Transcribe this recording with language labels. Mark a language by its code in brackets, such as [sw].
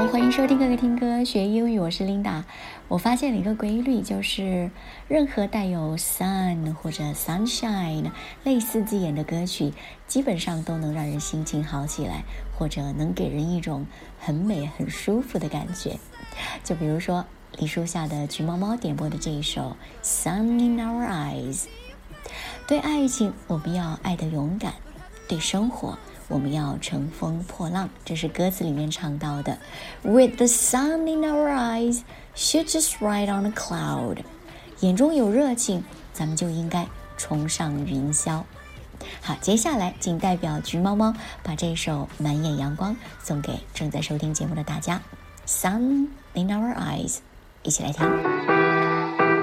[zh] 收听哥哥听歌学英语，我是 Linda。我发现了一个规律，就是任何带有 sun 或者 sunshine 类似字眼的歌曲，基本上都能让人心情好起来，或者能给人一种很美很舒服的感觉。就比如说李树下的橘猫猫点播的这一首 Sun in Our Eyes。对爱情我们要爱得勇敢，对生活我们要乘风破浪，这是歌词里面唱到的。 [en] With the sun in our eyes, should just ride on a cloud. [zh] 眼中有热情，咱们就应该冲上云霄。好，接下来请代表橘猫猫把这首满眼阳光送给正在收听节目的大家。 Sun in our eyes, 一起来听。